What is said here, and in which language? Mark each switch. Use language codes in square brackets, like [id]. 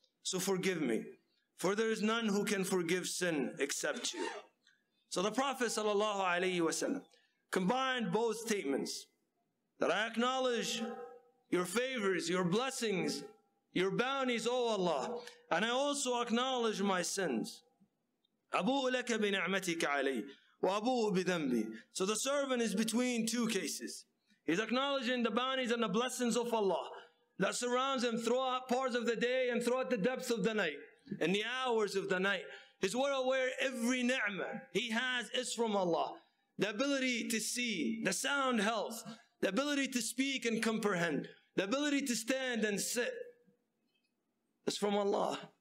[en] So forgive me, for there is none who can forgive sin except you. So the Prophet sallallahu alayhi wa sallam combined both statements, that I acknowledge your favors, your blessings, your bounties, O Allah, and I also acknowledge my sins. [ar] أبوء لك بنعمتك علي وأبوء بذنبي. [en] So the servant is between two cases. He's acknowledging the bounties and the blessings of Allah that surrounds him throughout parts of the day and throughout the depths of the night, in the hours of the night. He's well aware every ni'mah he has is from Allah. The ability to see, the sound health, the ability to speak and comprehend, the ability to stand and sit is from Allah.